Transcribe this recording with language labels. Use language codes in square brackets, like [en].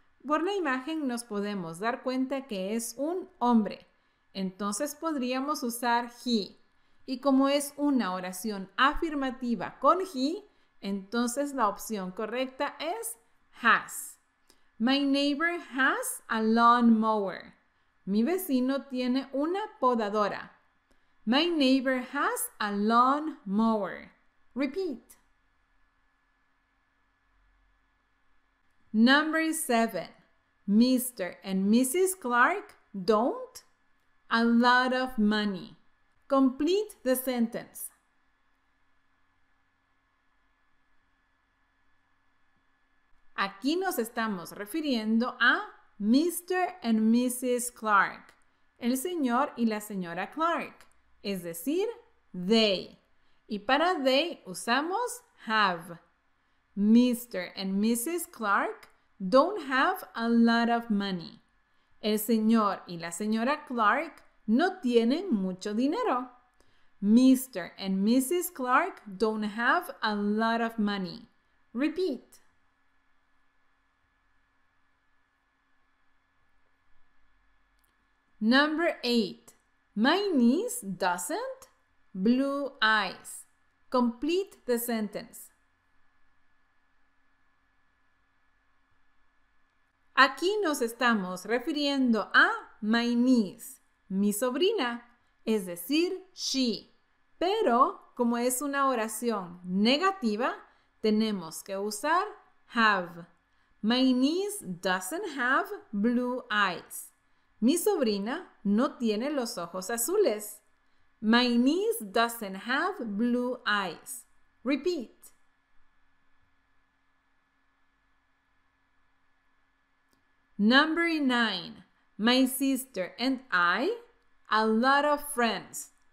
[es] Por la imagen nos podemos dar cuenta que es un hombre. Entonces podríamos usar he. Y como es una oración afirmativa con he, entonces la opción correcta es has. [en] My neighbor has a lawnmower. [es] Mi vecino tiene una podadora. [en] My neighbor has a lawnmower. Repeat. Number 7. Mr. and Mrs. Clark don't a lot of money. Complete the sentence. [es] Aquí nos estamos refiriendo a Mr. and Mrs. Clark, el señor y la señora Clark, es decir, they. Y para they usamos have. Mr. and Mrs. [en] Clark don't have a lot of money. [es] El señor y la señora Clark no tienen mucho dinero. [en] Mr. and Mrs. Clark don't have a lot of money. Repeat. Number 8. My niece doesn't blue eyes. Complete the sentence. [es] Aquí nos estamos refiriendo a [en] my niece, [es] mi sobrina, es decir, she. Pero como es una oración negativa, tenemos que usar have. [en] My niece doesn't have blue eyes. [es] Mi sobrina no tiene los ojos azules. [en] My niece doesn't have blue eyes. Repeat. Number 9. My sister and I, a lot of friends.